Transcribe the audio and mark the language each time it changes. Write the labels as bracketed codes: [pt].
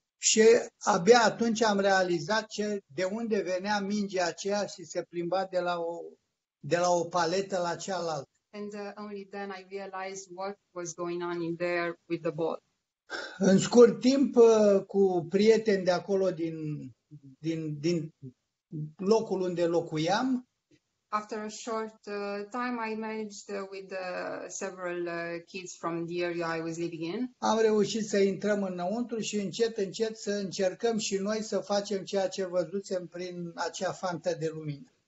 [ro] Și abia atunci am realizat ce, de unde venea mingea aceea și se plimba de la o paletă la cealaltă. [en] And only then I realized what was going on in there with the ball. [ro] În scurt timp cu prieteni de acolo din locul unde locuiam. [en] After a short time I managed with several kids from the area I was living in. [ro] Am reușit să intrăm înăuntru și încet încet să încercăm și noi să facem ceea ce văzusem prin acea fantă de lumină.